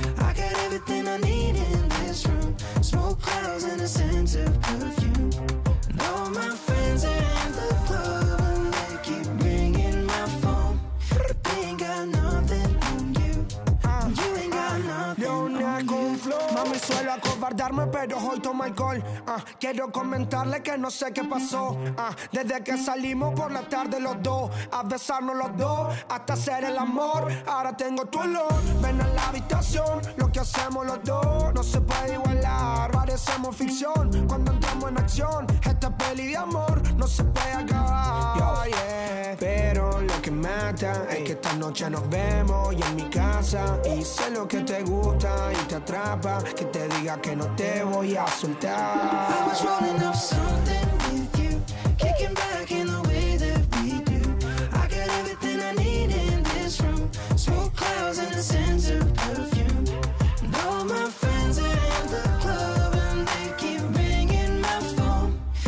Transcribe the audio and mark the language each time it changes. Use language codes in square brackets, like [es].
[en] I got everything I need in this room, smoke clouds and a scent of perfume. And all my friends are in the club and they keep ringing my phone. They ain't got nothing on you, and you ain't got nothing on you. [es] Mami, suelo acobardarme, pero hoy tomo alcohol. Quiero comentarle que no sé qué pasó. Desde que salimos por la tarde los dos, a besarnos los dos, hasta hacer el amor. Ahora tengo tu olor, ven a la habitación, lo que hacemos los dos no se puede igualar. Parecemos ficción cuando entramos en acción. Esta peli de amor no se puede acabar. Yo, yeah. Pero lo que mata es que esta noche nos vemos y en mi casa. Y sé lo que te gusta y te atrapa. Que te diga que no te voy a soltar. [en] I was rolling up something with you, kicking back in the way that we do. I got everything I need in this room, smoke clouds and a sense of perfume. And all my friends are in the club and they keep ringing my phone.